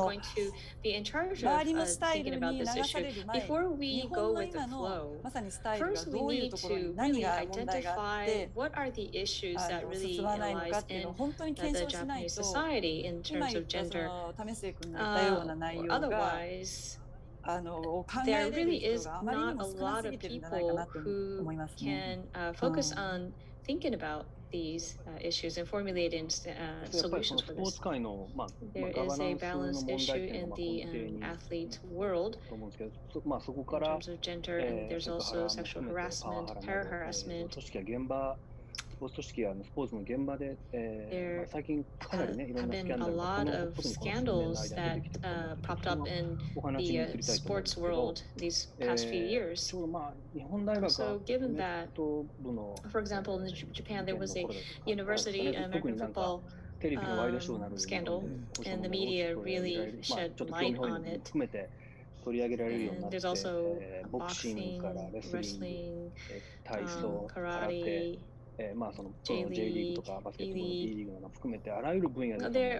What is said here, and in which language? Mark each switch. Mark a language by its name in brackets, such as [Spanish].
[Japanese] その周りのスタイルに流される前、日本の今のまさにスタイルがどういうところに何が問題があって進まないのかっていうのを本当に検証しないと、今言ったその為末君が言ったような内容が、 [English] There really is not a lot of people who can focus on thinking about these issues and formulating solutions for this. There is a balance issue in the athlete world in terms of gender, and there's also sexual harassment, power harassment. [Japanese] スポーツ組織やスポーツの現場で、最近かなりね、いろんなスキャンダルが、このスキャンダルが [English] popped up in the sports world these past few years. So given that, for example, in Japan there was a university American football scandal, and the media really shed light on it. [Japanese] 取り上げられるようになって、ボクシングからレスリング、体操、空手、まあその J リーグとかバスケットボール、B リーグなど含めてあらゆる分野で、